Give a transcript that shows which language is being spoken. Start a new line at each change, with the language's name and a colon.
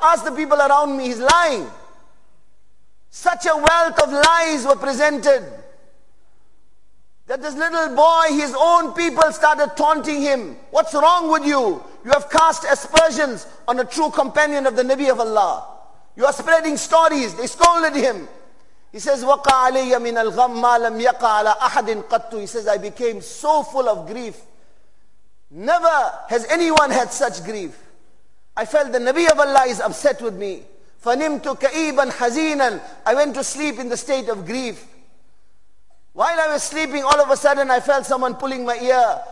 English: Ask the people around me, he's lying. Such a wealth of lies were presented that this little boy, his own people started taunting him. What's wrong with you? You have cast aspersions on a true companion of the Nabi of Allah. You are spreading stories. They scolded him. He says,
Arabic: وَقَعَ عَلَيَّ مِنَ الْغَمَّ مَا لَمْ يَقَعَ عَلَىٰ أَحَدٍ قَطُّ.
English: He says, I became so full of grief. Never has anyone had such grief. I felt the Nabi of Allah is upset with me.
Arabic: فَنِمْتُ كَئِيبًا حَزِينًا.
English: I went to sleep in the state of grief. While I was sleeping, all of a sudden I felt someone pulling my ear.